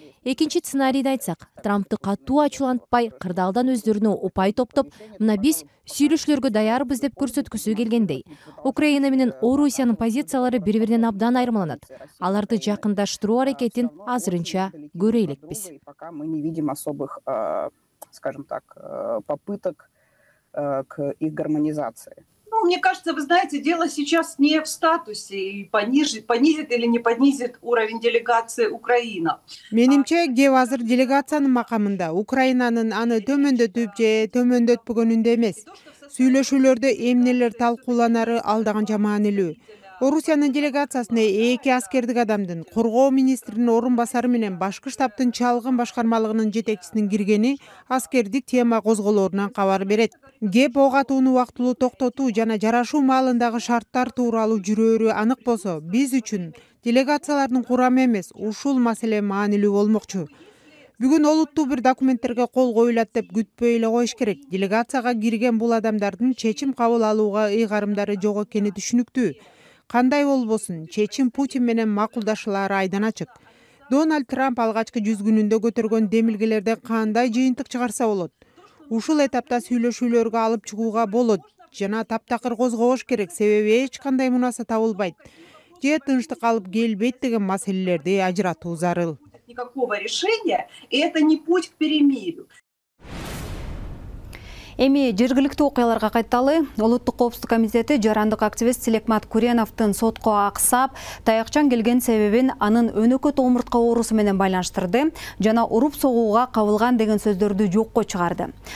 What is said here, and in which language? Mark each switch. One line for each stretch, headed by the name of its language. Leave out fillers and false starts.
Kyrgyz: Экинчи сценарийди айтсак, Трампты катуу ачуулантпай, кырдаалдан өздөрүнө упай топтоп, мына биз сүйлөшүүлөргө даярбыз деп көрсөткүсү келгендей. Украина менен Орусиянын позициялары бири-биринен абдан айырмаланат. Аларды жакындаштыруу аракетин азырынча көрөйлекпиз.
Russian: Пока мы не видим особых, скажем так, попыток к их гармонизации. Ну, мне кажется, вы знаете, дело сейчас не в статусе и понизит или не понизит уровень делегации Украина.
Kyrgyz: Менимче, дел азыр делегациянын макамында, Украинанын аны төмөндөтүп же төмөндөтпөгөнүндө эмес. Сүйлөшүүлөрдө эмнелер талкууланары алдаганча маанилүү. Орусиянын делегациясына 2 аскердик адамдын, коргоо министринин орун басары менен башкы штабтын чалгын башкармалыгынын жетекчисинин киргени аскердик тема козголорунан кабар берет. Кеп оогатууну убактылуу токтотуу жана жарашуу маалындагы шарттар тууралуу жүрөөрү анык болсо, биз үчүн делегациялардын курамы эмес, ушул маселе маанилүү болмокчу. Бүгүн олуттуу бир документтерге кол коюлат деп күтпөй эле коюш керек. Делегацияга кирген бул адамдардын чечим кабыл алууга ыйгарымдары жок экени түшүнүктүү. Кандай болбосун, чечим Путин менен макулдашылары айдан ачык. Дональд Трамп алгачкы 100 күнүндө көтөргөн демилгелерде кандай жыйынтык чыгарса болот? Ушул этапта сүйлөшүүлөргө алып чыгууга болот жана таптакыр козгош керек, себеби эч кандай мунаса табылбайт. Же тынчтык алып келбейт деген маселелерди ажыратуу зарыл.
Russian: Никакого решения, это не путь к перемирию.
Kyrgyz: Эми жергиликтүү окуяларга кайталы. Улуттук коопсуздук комитети жарандык активист Силекмат Куреновдун сотко аксап, таякчан келген себебин анын өнөкөт омуртка оорусу менен байланыштырды жана уруп согууга кабылган деген сөздөрдү жокко чыгарды.